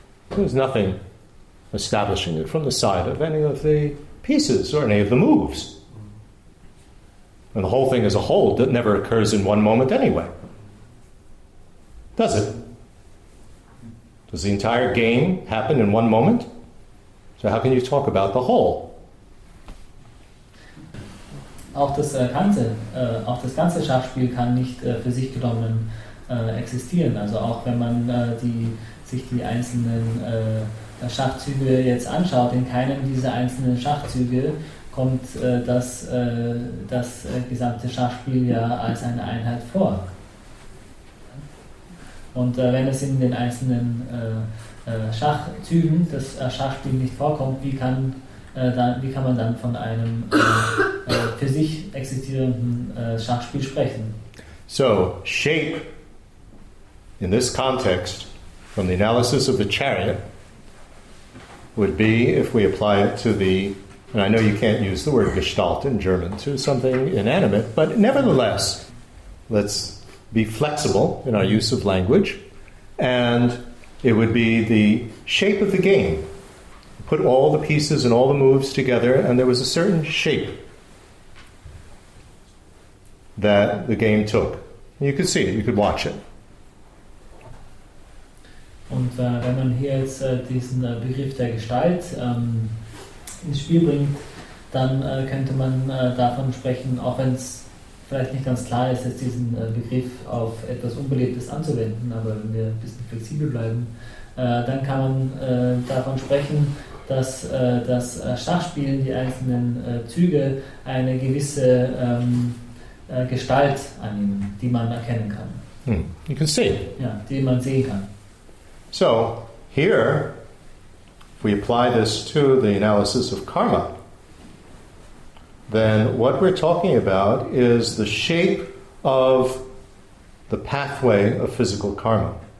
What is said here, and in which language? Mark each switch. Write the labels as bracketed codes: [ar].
[en] There was nothing establishing it from the side of any of the pieces or any of the moves. And the whole thing as a whole that never occurs in one moment anyway. Does it? Does the entire game happen in one moment? So how can you talk about the whole? [de] Auch das ganze Schachspiel kann nicht für sich genommen existieren. Also auch wenn man sich die einzelnen Schachzüge jetzt anschaut, in keinem dieser einzelnen Schachzüge kommt das gesamte Schachspiel ja als eine Einheit vor. Und wenn es in den einzelnen Schachzügen das Schachspiel nicht vorkommt, wie kann man dann von einem für sich existierenden Schachspiel sprechen? [en] So, shape in this context from the analysis of the chariot would be, if we apply it to the, and I know you can't use the word Gestalt in German to something inanimate, but nevertheless, let's be flexible in our use of language, and it would be the shape of the game. Put all the pieces and all the moves together, and there was a certain shape that the game took. You could see it, you could watch it. [de] Und wenn man hier jetzt diesen Begriff der Gestalt ins Spiel bringt, dann könnte man davon sprechen, auch wenn es vielleicht nicht ganz klar ist, jetzt diesen Begriff auf etwas Unbelebtes anzuwenden, aber wenn wir ein bisschen flexibel bleiben, dann kann man davon sprechen, dass das Schachspiel, die einzelnen Züge, eine gewisse Gestalt annehmen, die man erkennen kann. [en] Hmm. You can see. [de] Ja, die man sehen kann. [en] So, here, if we apply this to the analysis of karma, then what we're talking about is the shape of the pathway of physical karma.